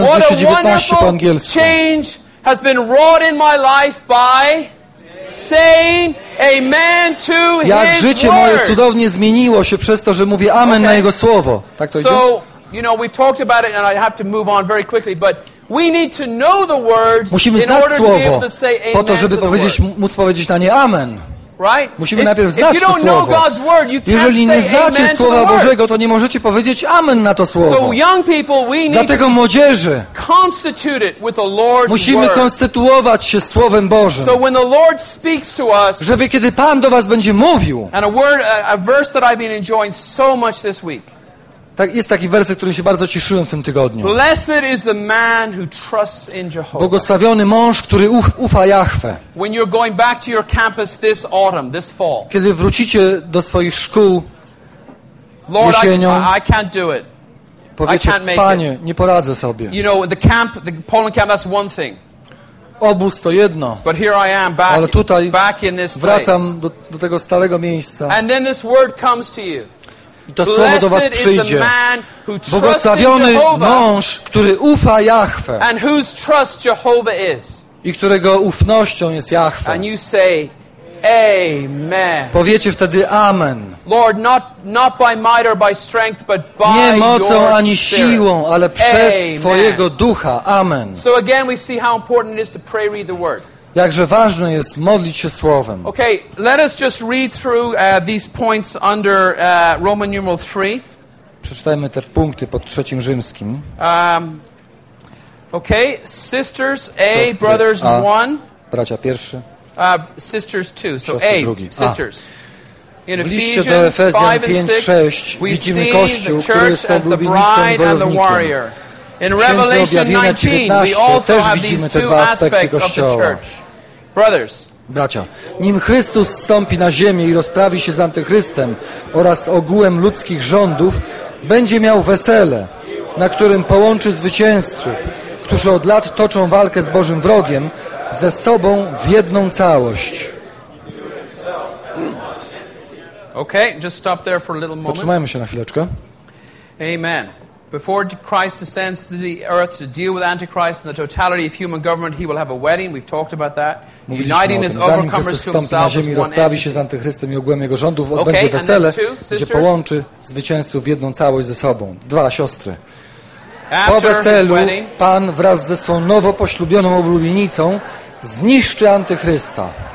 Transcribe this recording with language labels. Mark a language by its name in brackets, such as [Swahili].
[English] What a wonderful change has been wrought in my life by saying amen to His word. [Polish] Jak życie moje cudownie zmieniło się przez to, że mówię amen na Jego słowo. Tak to idzie? [English] So, you know, we've talked about it and I have to move on very quickly, but we need to know the word [Polish] musimy [English] in [Polish] znać [English] order [Polish] słowo [English] to be able to say amen [Polish] po to, żeby powiedzieć, móc powiedzieć na nie amen. [English] Right? [Polish] Musimy najpierw znać [English] to [Polish] słowo. [English] God's word, you [Polish] jeżeli [English] can't [Polish] nie znacie [English] amen [Polish] słowa Bożego, to nie możecie powiedzieć amen na to słowo. [English] So young people, we need [Polish] dlatego młodzieży [English] constituted with the Lord's [Polish] musimy [English] word. [Polish] Konstytuować się Słowem Bożym. [English] So when the Lord speaks to us, [Polish] żeby kiedy Pan do was będzie mówił [English] and a word, a verse that I've been enjoying so much this week. [Polish] Tak, jest taki werset, który się bardzo cieszyłem w tym tygodniu. [English] Blessed is the man who trusts in Jehovah. [Polish] Błogosławiony mąż, który ufa Jahwe. [English] When you're going back to your campus this autumn, this fall. [Polish] Kiedy wrócicie do swoich szkół [English] Lord, [Polish] jesienią. [English] I can't do it. [Polish] Powiecie, [English] I can't make [Polish] Panie, [English] it. [Polish] Nie poradzę sobie. [English] You know, the camp, the Poland camp, that's one thing. [Polish] Obóz to jedno. [English] But here I am back, [Polish] ale tutaj [English] back in this [Polish] wracam [English] place. [Polish] Do tego starego miejsca. [English] And then this word comes to you. [Polish] I to słowo do was przyjdzie. Błogosławiony mąż, który ufa Jahwe. [English] And whose trust Jehovah is. [Polish] I którego ufnością jest Jahwe. [English] And you say, amen. [Polish] Powiecie wtedy amen. [English] Lord, not by might or by strength, but by [Polish] nie mocą [English] your [Polish] ani [English] spirit. [Polish] Siłą, ale przez amen. Twojego ducha. Amen. [English] So again we see how important it is to pray, read the word. [Polish] Jakże ważne jest modlić się słowem. [English] Okay, let us just read through these points under Roman numeral 3. [Polish] Przeczytajmy te punkty pod trzecim rzymskim. [English] Okay, sisters A, brothers A, 1. [Polish] Bracia pierwszy. [English] Sisters 2. So [Polish] siostry A, drugi. [English] Sisters. A. [Polish] W liście do Efezjan 5:6 widzimy Kościół, który jest oblubienicą wojownikiem. [English] In Revelation 19 we also [Polish] też [English] have [Polish] widzimy [English] these [Polish] te dwa aspekty Kościoła. [English] Brothers, [Polish] bracia, nim Chrystus zstąpi na ziemię i rozprawi się z Antychrystem oraz ogółem ludzkich rządów, będzie miał wesele, na którym połączy zwycięzców, którzy od lat toczą walkę z Bożym wrogiem, ze sobą w jedną całość. [English] Okay, just stop there for a little moment. [Polish] Zatrzymajmy się na chwileczkę. Amen. [English] Before Christ descends to the earth to deal with Antichrist and the totality of human government, he will have a wedding. We've talked about that. Uniting his overcomers to himself. [Polish] Zanim Chrystus na ziemi rozprawi się z Antychrystem i ogółem jego rządów, odbędzie wesele, gdzie połączy zwycięzców w jedną całość ze sobą. Dwa siostry. Po weselu Pan wraz ze swą nowo poślubioną oblubienicą zniszczy Antychrysta.